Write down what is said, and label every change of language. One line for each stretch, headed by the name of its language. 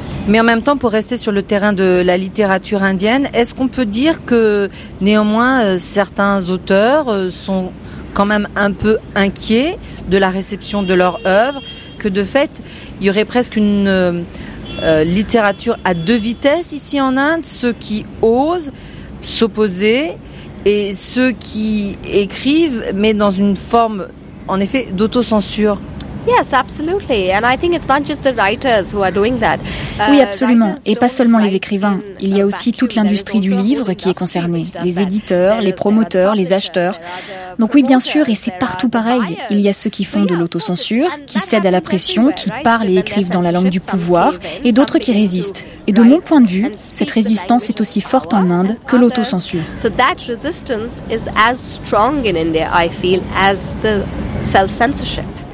French: Mais en même temps, pour rester sur le terrain de la littérature indienne, est-ce qu'on peut dire que néanmoins certains auteurs sont quand même un peu inquiets de la réception de leur œuvre, que de fait il y aurait presque une littérature à deux vitesses ici en Inde, ceux qui osent s'opposer et ceux qui écrivent mais dans une forme en effet d'autocensure?
English: Yes, absolutely. And I think it's not just the writers who are doing that.
French: Oui, absolument. Et pas seulement les écrivains. Il y a aussi toute l'industrie du livre qui est concernée. Les éditeurs, les promoteurs, les acheteurs. Donc oui, bien sûr, et c'est partout pareil. Il y a ceux qui font de l'autocensure, qui cèdent à la pression, qui parlent et écrivent dans la langue du pouvoir, et d'autres qui résistent. Et de mon point de vue, cette résistance est aussi forte en Inde que l'autocensure.
English: So that resistance is as strong in India, I feel, as the self-censorship.